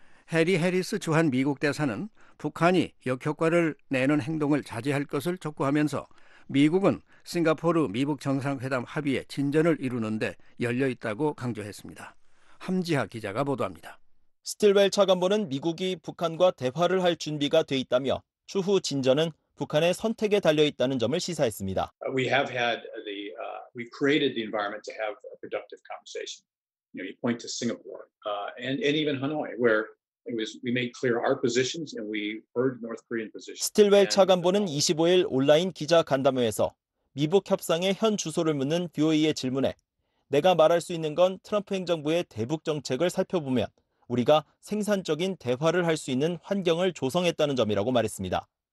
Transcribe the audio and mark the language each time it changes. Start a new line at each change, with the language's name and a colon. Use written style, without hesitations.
Korean: 해리 해리스 주한 미국 대사는 북한이 역효과를 내는 행동을 자제할 것을 촉구하면서 미국은 싱가포르 미북 정상회담 합의에 진전을 이루는데 열려있다고 강조했습니다. 함지하 기자가 보도합니다. 스틸웰 차관보는 미국이 북한과 대화를 할 준비가 돼 있다며 추후 진전은 북한의 선택에 달려 있다는 점을 시사했습니다.
English: We have had the we created the environment to have a productive conversation. You know, you point to Singapore and even Hanoi where it was we made clear our positions and we heard North Korean positions.
Korean: 스틸웰 차관보는 25일 온라인 기자 간담회에서 미북 협상의 현 주소를 묻는 BOE의 질문에 내가 말할 수 있는 건 트럼프 행정부의 대북 정책을 살펴보면 우리가 생산적인 대화를 할 수 있는 환경을 조성했다는 점이라고 말했습니다.